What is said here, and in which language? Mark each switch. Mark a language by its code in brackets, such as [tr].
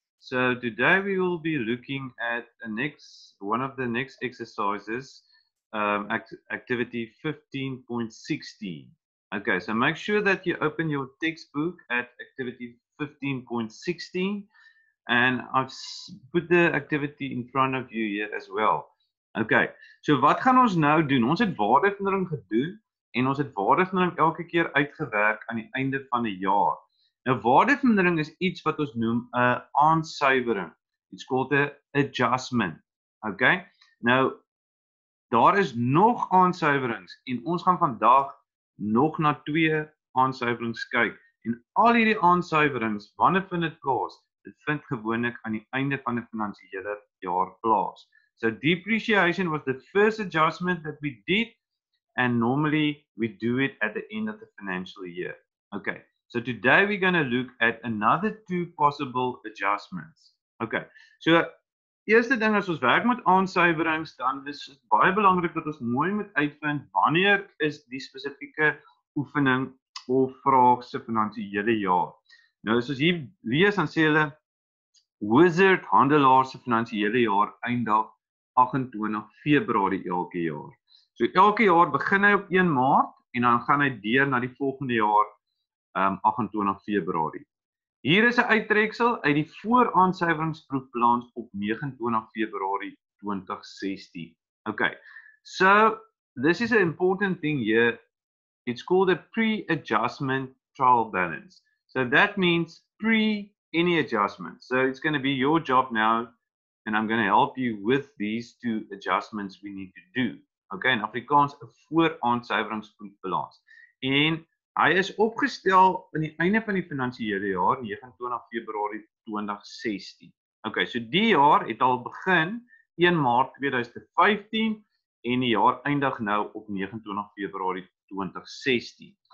[en] So today we will be looking at one of the next exercises, activity 15.16. Okay, so make sure that you open your textbook at activity 15.16, and I've put the activity in front of you here as well. [af] Okay, so wat gaan ons nou doen? Ons het waardevermindering gedoen en ons het waardevermindering elke keer uitgewerk aan die einde van die jaar. Nou, waardevermindering is iets wat ons noem 'n aansuivering. [en] It's called an adjustment. [af] Okay, nou, daar is nog aansuiverings en ons gaan vandag nog na twee aansuiverings kyk. En al hierdie aansuiverings, wanneer vind dit plaas? Dit vind gewoonlik aan die einde van die finansiële jaar plaas. [en] So depreciation was the first adjustment that we did, and normally we do it at the end of the financial year. Okay, so today we're going to look at another two possible adjustments. [af] Okay, so eerste ding, as ons werk met aansuiverings, dan is het baie belangrijk dat ons mooi moet uitvind wanneer is die specifieke oefening of vraag se finansiële jaar. Nou, as ons hier lees, dan sê hulle, Wizard handelaar se finansiële jaar eindig 28 Februarie elke jaar. So elke jaar begin hy op 1 Maart en dan gaan hy deur na die volgende jaar 28 Februarie. Hier is 'n uittreksel uit die vooraansuiveringsproefplan op 29 Februarie 2016. Okay. [en] So this is an important thing here. It's called a pre-adjustment trial balance. So that means pre any adjustment. So it's going to be your job now, and I'm going to help you with these two adjustments we need to do. [af] Okay, in Afrikaans, 'n vooraansuiveringsproefbalans. En hy is opgestel aan die einde van die finansiële jaar, 29 Februarie 2016. Okay, so die jaar het al begin 1 Maart 2015 en die jaar eindig nou op 29 Februarie 2016.